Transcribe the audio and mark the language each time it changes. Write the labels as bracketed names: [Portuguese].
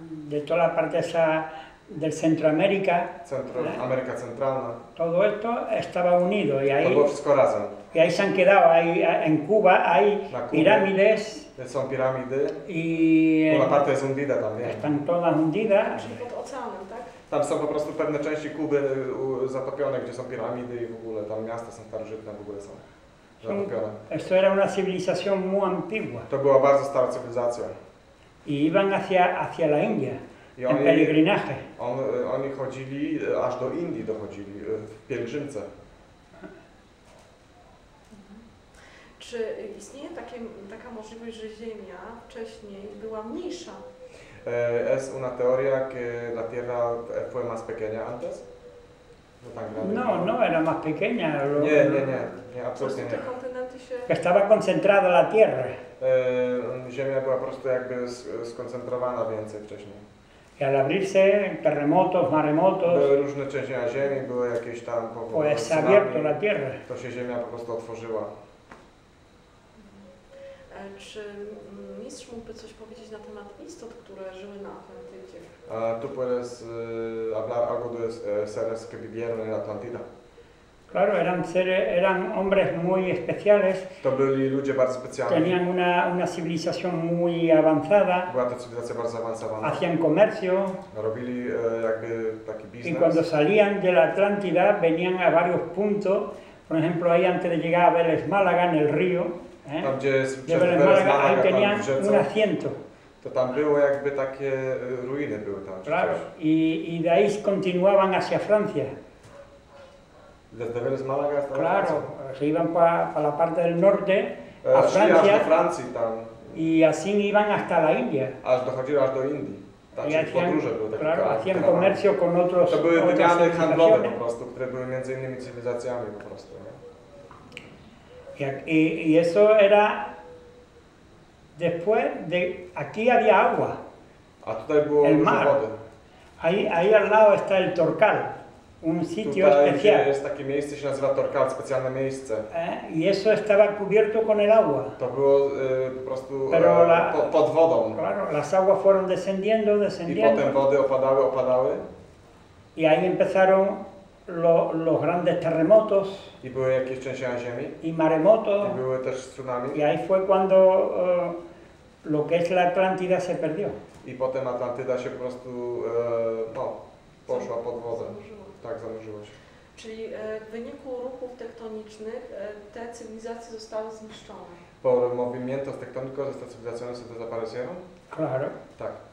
[Spanish] de toda la parte esa del Centroamérica. [Polish] América Centralna. [Spanish] Todo esto estaba unido y ahí. [Polish] Todo wszystko razem. [Spanish] Y ahí se han quedado, ahí en Cuba hay pirámides. Son pirámides. Y la parte es hundida también. Están todas hundidas. [Polish] Tam są po prostu pewne części Kuby zatopione, gdzie są piramidy i w ogóle tam miasta są starożytne, w ogóle są. [Spanish] Esto era una civilización muy antigua. [Polish] To była bardzo stara cywilizacja. [Spanish] Y iban hacia la India en peregrinaje. [Polish] Oni chodzili aż do Indii, dochodzili w pielgrzymce. Czy istnieje taka możliwość, że Ziemia wcześniej była mniejsza? [Spanish] Es una teoría que la Tierra fue más pequeña antes. No, era más pequeña. [Polish] Nie, absolutnie nie. [Spanish] Estaba concentrada la Tierra. [Polish] Ziemia była po prostu jakby skoncentrowana więcej wcześniej. [Spanish] Y al abrirse, terremotos, maremotos. [Polish] Były różne trzęsienia ziemi, były jakieś tam [Spanish] powodowane. Pues se abierto la Tierra. [Polish] To się Ziemia po prostu otworzyła. Czy mistrz mógłby coś powiedzieć na temat istot, które żyły na Atlantydzie? [Spanish] Tu puedes hablar algo de seres que vivieron en Atlantida. Claro, eran hombres muy especiales. [Polish] To byli ludzie bardzo specjalni. [Spanish] Tenían una civilización muy avanzada. [Polish] Była to cywilizacja bardzo zaawansowana. [Spanish] Hacían comercio. [Polish] Robili jakby taki biznes. [Spanish] Y cuando salían de la Atlántida, venían a varios puntos. Por ejemplo, ahí antes de llegar a Vélez Málaga, en el río. [Polish] Tam, gdzie jest przez Vélez Málaga, [Spanish] ahí tenían un asiento. [Polish] To tam było jakby takie ruiny były tam. [Spanish] Claro, y de ahí continuaban hacia Francia. Desde Vélez Málaga hasta claro, Francia. Se iban para la parte del norte, a [Polish] Francia, Francji, tam. [Spanish] Y así iban hasta la India. [Polish] Dochodziły aż do Indii. Tam, [Spanish] y hacían, [Polish] podróże były takie. [Spanish] Claro, hacían comercio con otros. [Polish] To były wymiany handlowe po prostu, które były między innymi cywilizacjami po prostu. Nie? [Spanish] Y eso era después de aquí había agua. [Polish] A tutaj było [Spanish] el mar. [Polish] Wody. [Spanish] Ahí al lado está el Torcal. Un sitio especial. [Polish] Jest takie miejsce, się nazywa Torcal, specjalne miejsce. [Spanish] I eso estaba cubierto con el agua. [Polish] To było po prostu pod wodą. [Spanish] Claro, las aguas fueron descendiendo. [Polish] I potem wody opadały. [Spanish] I ahí empezaron los grandes terremotos. [Polish] I były jakieś trzęsienia ziemi. [Spanish] I maremoto. [Polish] I były też tsunami. [Spanish] I ahí fue cuando lo que es la Atlántida se perdió. [Polish] I potem Atlantyda się po prostu poszła pod wodę. Tak, zanurzyło się. Czyli w wyniku ruchów tektonicznych te cywilizacje zostały zniszczone. [Spanish] Po movimientos tektonicos estas civilizaciones se desaparecieron? Claro. [Polish] Tak.